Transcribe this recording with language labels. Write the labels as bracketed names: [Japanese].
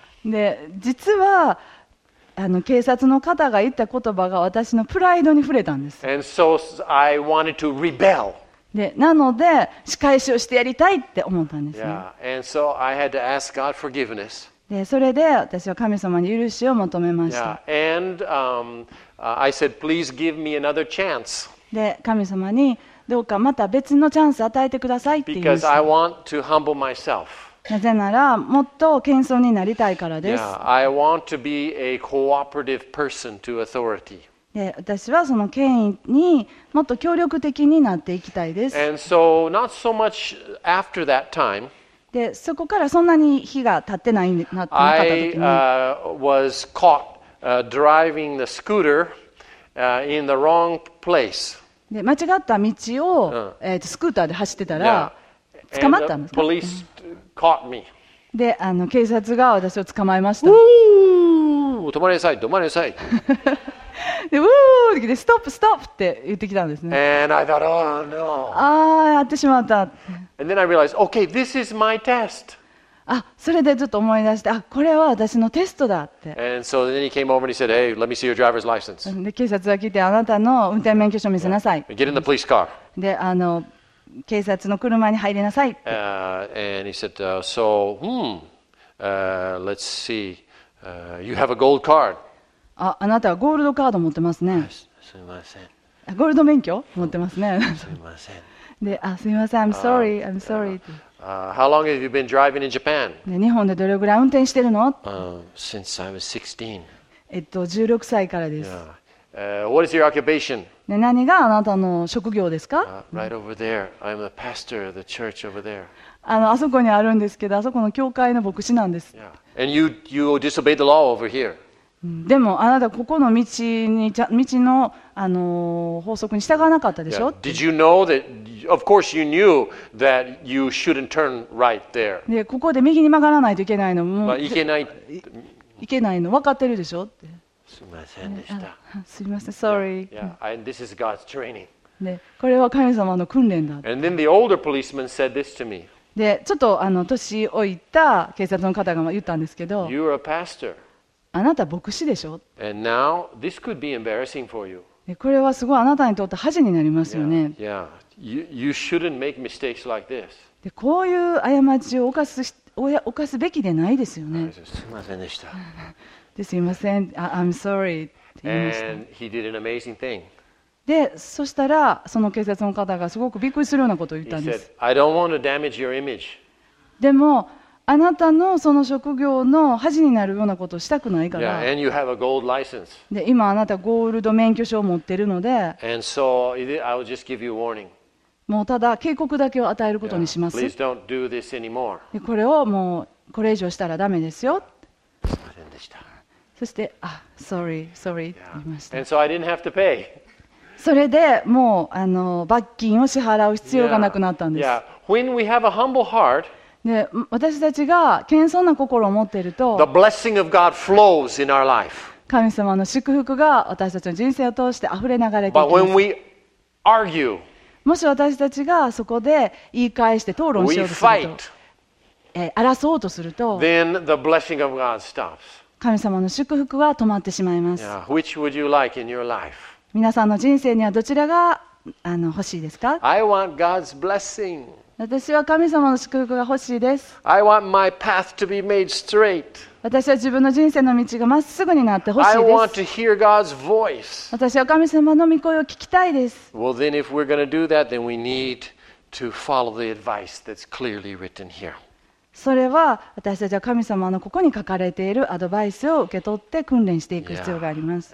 [Japanese] で実はあの警察の方が言った言葉が私のプライドに触れたんです。 [English] And so I wanted to rebel. [Japanese] でなので仕返しをしてやりたいって思ったんですね。 [English] Yeah. And so I had to ask God forgiveness. [Japanese] でそれで私は神様に許しを求めました。 [English] Yeah. And I said, please give me another chance. [Japanese] で神様にどうかまた別のチャンス与えてくださいって言いました。 [English] Because I want to humble myself. [Japanese] なぜならもっと謙遜になりたいからです。 [English] Yeah, I want to be a cooperative person to authority. [Japanese] で、私はその権威にもっと協力的になっていきたいです。 [English] And so, not so much after that time, [Japanese] で、そこからそんなに日が経ってないなかった時に、 [English] I was caught driving the scooter in the wrong place. [Japanese] で、間違った道を、スクーターで走ってたら、yeah. 捕まったんですか？ [English] Police caught me. [Japanese] で、あの警察が私を捕まえました。止まりなさい、止まりなさい。で、うーって来てストップ、ストップって言ってきたんですね。 [English] And I thought, oh, no. [Japanese] ああ、やってしまった。 [English] And then I realized, okay, this is my test. [Japanese] あ、それでちょっと思い出して、あ、これは私のテストだって。 [English] And so then he came over and he said, hey, let me see your driver's license. [Japanese] で、警察が来て、あなたの運転免許証見せなさい。 [English] Yeah. Get in the police car. [Japanese] で、あの警察の車に入りなさいって。 [English] And he said, so, let's see, you have a gold card. [Japanese] あなたはゴールドカード持ってますね。すみません。ゴールド免許持ってますね。すみません。で、あ、すみません。 [English] I'm sorry. I'm sorry. How long have you been driving in Japan? [Japanese] 日本でどれぐらい運転してるの？ [English] Since I was 16. [Japanese] 16歳からです。 [English] What is your occupation? [Japanese] 何があなたの職業ですか？ [English] Right over there. I'm the pastor of the church over there. [Japanese] あそこにあるんですけど、あそこの教会の牧師なんです。 [English] Yeah. And you disobeyed the law over here. [Japanese] でもあなたここの道の法則に従わなかったでしょ？ [English] Yeah. Did you know that? Of course you knew that you shouldn't turn right there. [Japanese] で、ここで右に曲がらないといけないの。もう、まあ、いけないの。分かってるでしょって。すみませんでした。すみません、sorry. [English] Yeah, and this is God's training. [Japanese] で、これは神様の訓練だ。 [English] And then the older policeman said this to me. [Japanese] で、ちょっとあの年老いた警察の方が言ったんですけど、 [English] You're a pastor. [Japanese] あなた牧師でしょ。 [English] And now this could be embarrassing for you. [Japanese] で、これはすごいあなたにとって恥になりますよね。 [English] Yeah, yeah. You shouldn't make mistakes like this. [Japanese] で、こういう過ちを犯すべきでないですよね。すみませんでした。すいません、 [English] I'm sorry [Japanese] って言いました。 [English] And he did an amazing thing. [Japanese] で、そしたらその警察の方がすごくびっくりするようなことを言ったんです。 [English] He said, I don't want to damage your image. [Japanese] でも、あなたのその職業の恥になるようなことをしたくないから。 [English] Yeah, and you have a gold license. [Japanese] で、今あなたゴールド免許証を持ってるので。 [English] And so I will just give you warning. [Japanese] もうただ警告だけを与えることにします。 [English] Yeah, please don't do this anymore. [Japanese] で、これをもうこれ以上したらダメですよ。すいませんでした。そして、あ、 [English] sorry, sorry [Japanese] って言いました。 [English] And so I didn't have to pay. [Japanese] それでもうあの罰金を支払う必要がなくなったんです。 [English] Yeah. When we have a humble heart, [Japanese] で、私たちが謙遜な心を持っていると、 [English] the blessing of God flows in our life. [Japanese] 神様の祝福が私たちの人生を通して溢れ流れていきます。 [English] But when we argue, [Japanese] もし私たちがそこで言い返して討論しようとすると、 [English] we fight, [Japanese] 争おうとすると、 [English] then the blessing of God stops. [Japanese] 神様の祝福は止まってしまいます。 [English] Yeah. Which would you like in your life? [Japanese] 皆さんの人生にはどちらが欲しいですか? [English] I want God's blessing. [Japanese] 私は神様の祝福が欲しいです。 [English] I want my path to be made straight. [Japanese] 私は自分の人生の道がまっすぐになって欲しいです。 [English] I want to hear God's voice. [Japanese] 私は神様の御声を聞きたいです。 [English] Well, then if we're going to do that, then we need to follow the advice that's clearly written here. [Japanese] それは私たちは神様のここに書かれているアドバイスを受け取って訓練していく必要があります。